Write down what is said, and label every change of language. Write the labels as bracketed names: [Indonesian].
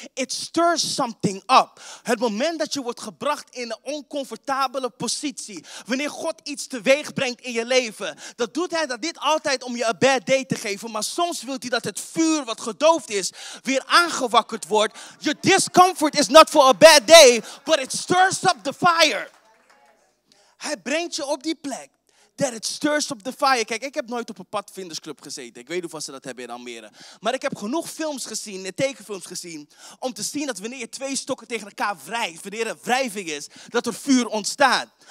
[English] It stirs something up. [Dutch] Het moment dat je wordt gebracht in een oncomfortabele positie. Wanneer God iets teweeg brengt in je leven. Dat doet hij dat niet altijd om je een [English] bad day [Dutch] te geven. Maar soms wil hij dat het vuur wat gedoofd is, weer aangewakkerd wordt. [English] Your discomfort is not for a bad day. But it stirs up the fire. [Dutch] Hij brengt je op die plek. [English] That it stirs up the fire. [Dutch] Kijk, ik heb nooit op een padvindersclub gezeten. Ik weet niet of ze dat hebben in Almere. Maar ik heb genoeg films gezien, tekenfilms gezien, om te zien dat wanneer je twee stokken tegen elkaar wrijft, wanneer er wrijving is, dat er vuur ontstaat.